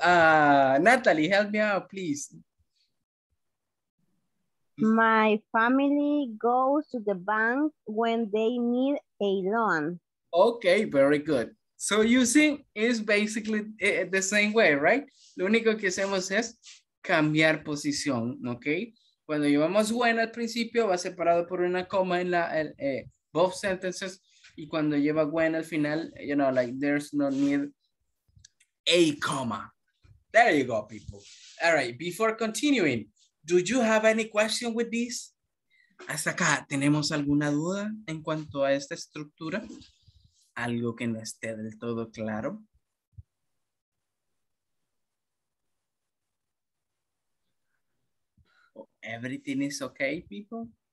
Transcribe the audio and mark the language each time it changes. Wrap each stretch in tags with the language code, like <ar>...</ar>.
<en>Natalie, help me out, please. My family goes to the bank when they need a loan. Okay, very good. So you see, it's basically the same way, right?</en> <es>Lo único que hacemos es cambiar posición, okay? Cuando llevamos when al principio, va separado por una coma en la</es> <en>both sentences.</en> <es>Y cuando lleva when al final,</es> <en>you know, like there's no need a comma. There you go, people. All right, before continuing, do you have any question with this?</en> <es>Hasta acá, ¿tenemos alguna duda en cuanto a esta estructura? ¿Algo que no esté del todo claro?</es> <en>Oh, everything is okay, people?</en>